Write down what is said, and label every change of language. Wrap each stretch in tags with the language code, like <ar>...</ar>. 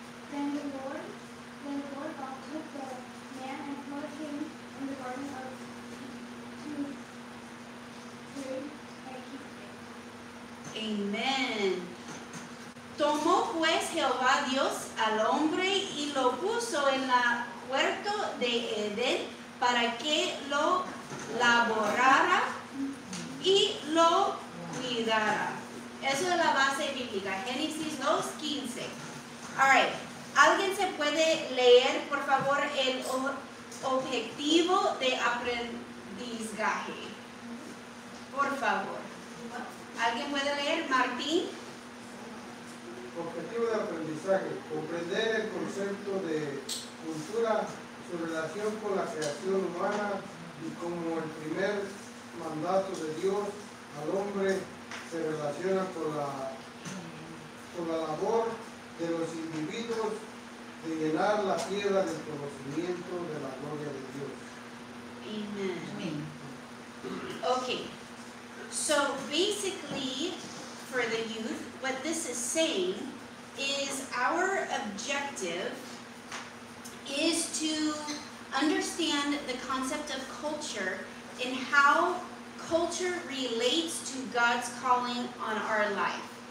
<en>Then the Lord God took the man and put him in the garden of Eden. Amen.</en> <es>Tomó pues Jehová Dios al hombre y lo puso en el huerto de Edén para que lo laborara y lo cuidara. Eso es la base bíblica, Génesis 2, 15.</es> <en>All right,</en> <es>¿alguien se puede leer, por favor, el objetivo de aprendizaje? Por favor. ¿Alguien puede leer? Martín. objetivo de aprendizaje, comprender el concepto de cultura, su relación con la creación humana y cómo el primer mandato de Dios al hombre se relaciona con la labor de los individuos de llenar la tierra del conocimiento de la gloria de Dios.</es> <en>Amen. Okay. So basically, for the youth, what this is saying is our objective is to understand the concept of culture and how culture relates to God's calling on our life.</en>